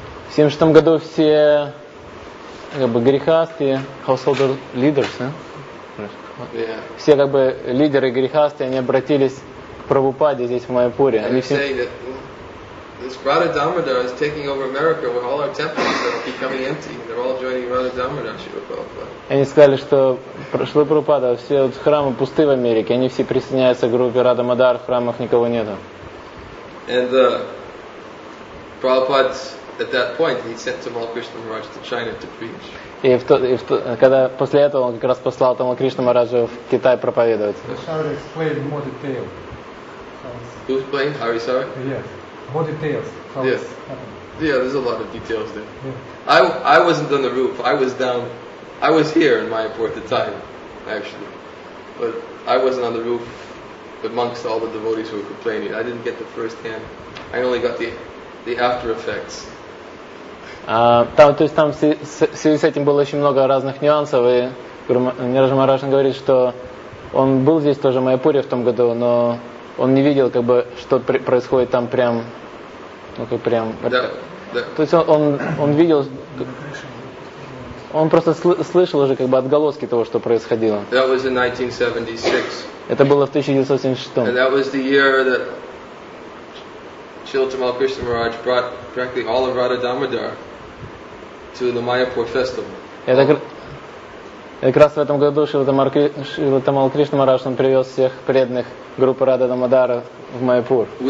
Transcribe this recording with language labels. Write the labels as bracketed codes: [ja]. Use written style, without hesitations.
[ru] В 76 году все как бы грехасты, [en] householder leaders, [ru] все как бы лидеры грехасты, они обратились к Прабхупаде здесь в Майяпуре. [en] And they're saying that this Radha Damodar is taking over America, where all our temples are becoming empty. They're all joining Radha Damodar, Shiva Prabhupada. [ru] Они сказали, что Шрила Прабхупада, все вот храмы пусты в Америке, они все присоединяются к группе Радха Мадар, в храмах никого нету. [en] And Prabhupada, at that point, he sent Tamal Krishna Maharaj to China to preach. [ru] Когда после этого он как раз послал Тамал Кришна Махараджа в Китай проповедовать. [en] Harisara explained more detail. Who explained? Harisara? Yes. More details. Yes. Yeah, there's a lot of details there. Yeah. I wasn't on the roof. I was down. I was here in Mayapur at the time, actually. But I wasn't on the roof amongst all the devotees who were complaining. I didn't get the first hand. I only got the after effects. [ru] Там в связи с этим было очень много разных нюансов, и Нираджа Махарадж говорит, что он был здесь тоже в Майяпуре в том году, но он не видел, как бы, что происходит там прям, ну как прям. То есть он видел, он просто слышал уже как бы отголоски того, что происходило. [en] That was in 1976. [ru] Это было в 1976. [en] And that was the year that Srila Tamal Krishna Maharaj brought practically all of Radha Damodar to the Mayapur festival. [ru] Как раз в этом году Шрила Тамал Кришна Махарадж привез всех преданных группы Радха Дамодара в Майяпур.